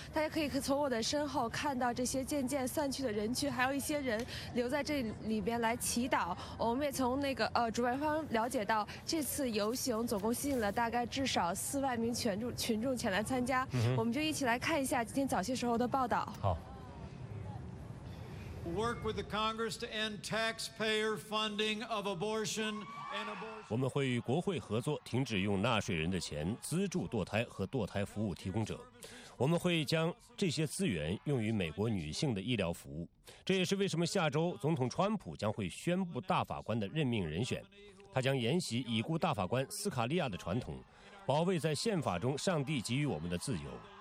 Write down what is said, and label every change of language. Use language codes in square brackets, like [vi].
[zh] 大家可以从我的身后看到这些渐渐散去的人群，还有一些人留在这里边来祈祷。我们也从那个主办方了解到，这次游行总共吸引了大概至少4万名群众前来参加。我们就一起来看一下今天早些时候的报道。好。 [en] Work with the Congress to end taxpayer funding of abortion. [zh] 我们会与国会合作，停止用纳税人的钱资助堕胎和堕胎服务提供者。我们会将这些资源用于美国女性的医疗服务。这也是为什么下周总统川普将会宣布大法官的任命人选。他将沿袭已故大法官斯卡利亚的传统，保卫在宪法中上帝给予我们的自由。